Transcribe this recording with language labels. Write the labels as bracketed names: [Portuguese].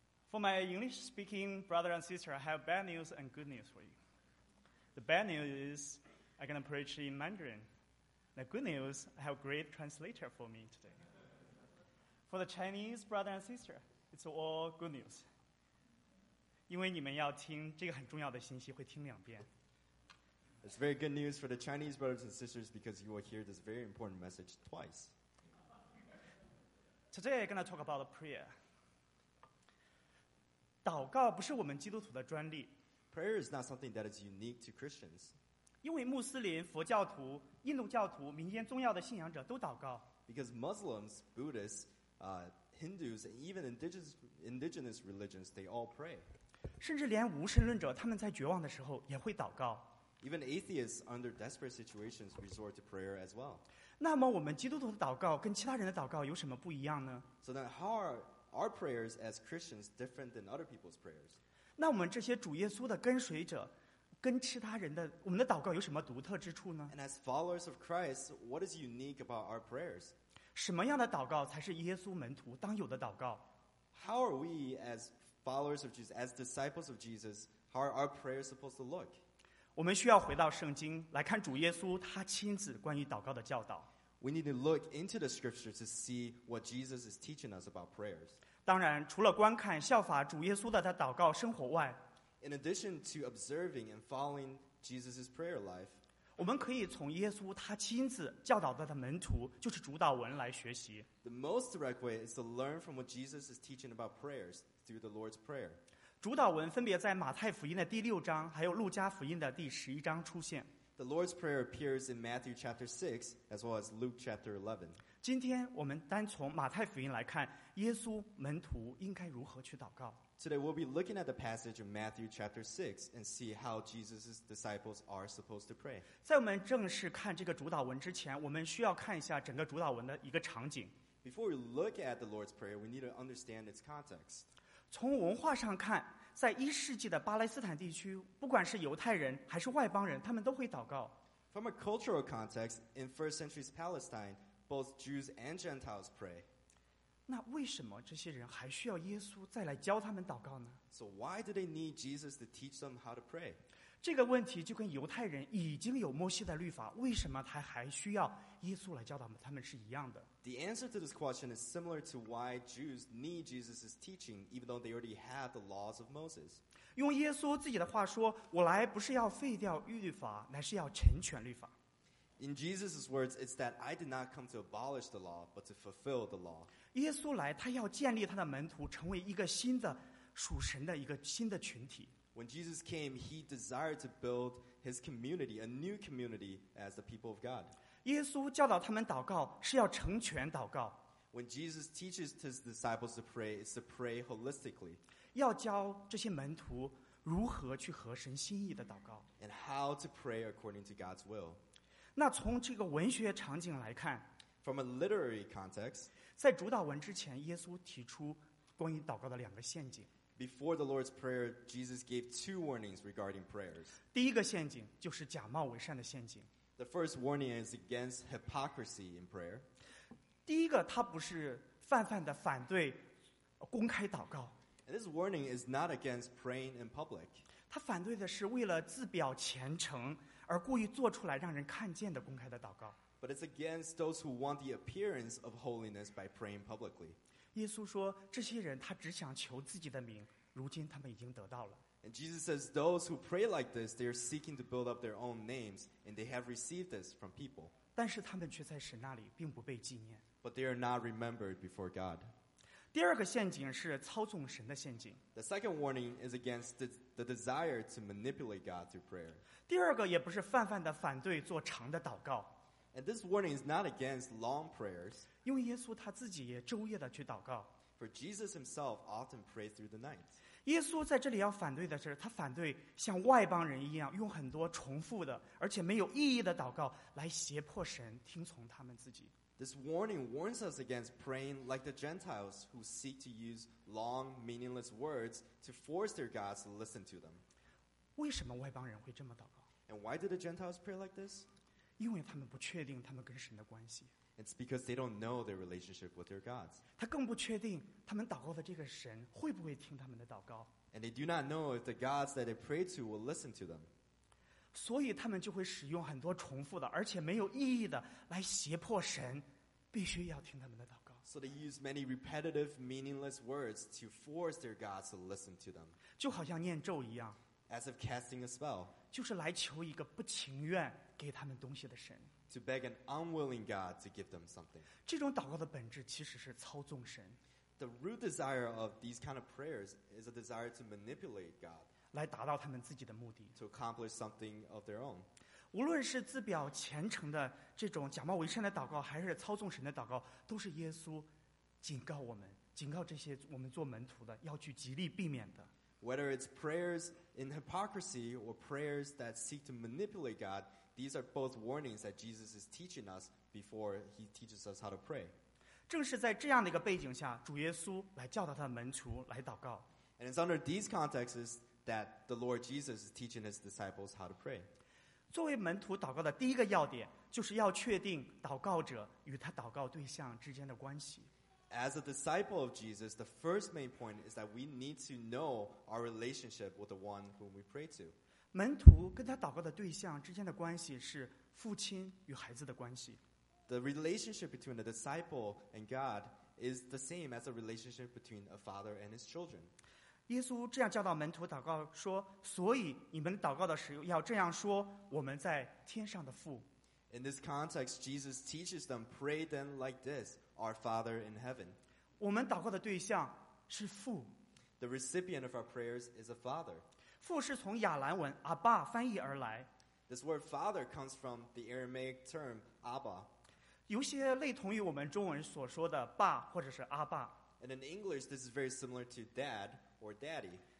[English] For my English-speaking brother and sister, I have bad news and good news for you. The bad news is I'm going to preach in Mandarin. The good news, I have a great translator for me today. For the Chinese brother and sister, it's all good news. [Chinese] 因为你们要听这个很重要的信息，会听两遍。 [English] It's very good news for the Chinese brothers and sisters because you will hear this very important message twice. Today, I'm going to talk about prayer. [Chinese] 祷告不是我们基督徒的专利。 [English] Prayer is not something that is unique to Christians. [Chinese] 因为穆斯林、佛教徒、印度教徒、民间宗教的信仰者都祷告。 [English] Because Muslims, Buddhists, Hindus, and even indigenous religions, they all pray. [Chinese] 甚至连无神论者，他们在绝望的时候也会祷告。 [English] Even atheists under desperate situations resort to prayer as well. [Chinese] 那么我们基督徒的祷告跟其他人的祷告有什么不一样呢？ [English] So then how are our prayers as Christians different than other people's prayers? [Chinese] 那我们这些主耶稣的跟随者跟其他人的我们的祷告有什么独特之处呢？ [English] And as followers of Christ, what is unique about our prayers? [Chinese] 什么样的祷告才是耶稣门徒当有的祷告？ [English] How are we as followers of Jesus, as disciples of Jesus, how are our prayers supposed to look? [Chinese] 我们需要回到圣经来看主耶稣他亲自关于祷告的教导。 [English] We need to look into the scripture to see what Jesus is teaching us about prayers. [Chinese] 当然，除了观看效法主耶稣的他祷告生活外 [English] ，In addition to observing and following Jesus' prayer life, [Chinese] 我们可以从耶稣他亲自教导的他门徒，就是主导文来学习。 [English] The most direct way is to learn from what Jesus is teaching about prayers through the Lord's prayer. [Chinese] 主导文分别在马太福音的第六章还有路加福音的第十一章出现。 [English] The Lord's Prayer appears in Matthew chapter 6 as well as Luke chapter 11. [Chinese] 今天我们单从马太福音来看耶稣门徒应该如何去祷告。 [English] Today we'll be looking at the passage in Matthew chapter 6 and see how Jesus' disciples are supposed to pray. [Chinese] 在我们正式看这个主导文之前我们需要看一下整个主导文的一个场景。 [English] Before we look at the Lord's Prayer, we need to understand its context. [Chinese] 从文化上看在一世纪的巴勒斯坦地区不管是犹太人还是外邦人他们都会祷告 [English] From a cultural context in first century Palestine both Jews and Gentiles pray [Chinese] 那为什么这些人还需要耶稣再来教他们祷告呢 [English] So why do they need Jesus to teach them how to pray [Chinese] 这个问题就跟犹太人已经有摩西的律法为什么他还需要耶稣来教导他们是一样的 [English] The answer to this question is similar to why Jews need Jesus' teaching, even though they already have the laws of Moses. [Chinese] 用耶稣自己的话说，我来不是要废掉律法，乃是要成全律法。 [English] In Jesus' words, it's that I did not come to abolish the law, but to fulfill the law. [Chinese] 耶稣来，他要建立他的门徒，成为一个新的属神的一个新的群体。 [English] When Jesus came, he desired to build his community, a new community, as the people of God. [Chinese] 耶稣教导他们祷告是要成全祷告。 [English] When Jesus teaches his disciples to pray, it's to pray holistically. [Chinese] 要教这些门徒如何去合神心意的祷告。 [English] And how to pray according to God's will. [Chinese] 那从这个文学场景来看 [English] From a literary context, [Chinese] 在主导文之前耶稣提出关于祷告的两个陷阱。 [English] Before the Lord's Prayer, Jesus gave two warnings regarding prayers. [Chinese] 第一个陷阱就是假冒为善的陷阱。 [English] The first warning is against hypocrisy in prayer. [Chinese] 第一个，他不是泛泛的反对公开祷告。 [English] And this warning is not against praying in public. [Chinese] 他反对的是为了自表虔诚而故意做出来让人看见的公开的祷告。 [English] But it's against those who want the appearance of holiness by praying publicly. [Chinese] 耶稣说，这些人他只想求自己的名，如今他们已经得到了。 [English] And Jesus says, those who pray like this, they are seeking to build up their own names, and they have received this from people. [Chinese] 但是他们却在神那里并不被纪念。 [English] But they are not remembered before God. [Chinese] 第二个陷阱是操纵神的陷阱。 [English] The second warning is against the desire to manipulate God through prayer. [Chinese] 第二个也不是泛泛的反对做长的祷告。 [English] And this warning is not against long prayers. [Chinese] 因为耶稣他自己也昼夜的去祷告。 [English] For Jesus himself often prayed through the night. [Chinese] 耶稣在这里要反对的是他反对像外邦人一样用很多重复的而且没有意义的祷告来胁迫神听从他们自己。 [English] This warning warns us against praying like the Gentiles who seek to use long, meaningless words to force their gods to listen to them. [Chinese] 为什么外邦人会这么祷告？ [English] And why did the Gentiles pray like this? [Chinese] 因为他们不确定他们跟神的关系。 [English] It's because they don't know their relationship with their gods. [Chinese] 他更不确定他们祷告的这个神会不会听他们的祷告。 [English] And they do not know if the gods that they pray to will listen to them. [Chinese] 所以他们就会使用很多重复的而且没有意义的来胁迫神必须要听他们的祷告。 [English] So they use many repetitive, meaningless words to force their gods to listen to them. [Chinese] 就好像念咒一样。 [English] As if casting a spell. [Chinese] 就是来求一个不情愿给他们东西的神。 [English] To beg an unwilling God to give them something. [Chinese] 这种祷告的本质其实是操纵神。 [English] The root desire of these kind of prayers is a desire to manipulate God. [Chinese] 来达到他们自己的目的。 [English] To accomplish something of their own. [Chinese] 无论是自表虔诚的这种假冒伪善的祷告，还是操纵神的祷告，都是耶稣警告我们，警告这些我们做门徒的要去极力避免的。 [English] Whether it's prayers in hypocrisy or prayers that seek to manipulate God, these are both warnings that Jesus is teaching us before he teaches us how to pray. [Chinese] 正是在这样的一个背景下，主耶稣来教导他的门徒来祷告。 [English] And it's under these contexts that the Lord Jesus is teaching his disciples how to pray. [Chinese] 作为门徒祷告的第一个要点，就是要确定祷告者与他祷告对象之间的关系。 [English] As a disciple of Jesus, the first main point is that we need to know our relationship with the one whom we pray to. [Chinese] 门徒跟他祷告的对象之间的关系是父亲与孩子的关系。 [English] The relationship between the disciple and God is the same as a relationship between a father and his children. [Chinese] 耶稣这样教导门徒祷告说，所以你们祷告的时候要这样说，我们在天上的父。 [English] In this context, Jesus teaches them, pray then like this, our Father in heaven. [Chinese] 我们祷告的对象是父。 [English] The recipient of our prayers is a father. [Chinese] 父是从亚兰文 Abba 翻译而来。 [English] This word father comes from the Aramaic term Abba. [Chinese] 有些类同于我们中文所说的爸或者是阿爸。 [English] And in English, this is very similar to dad or daddy.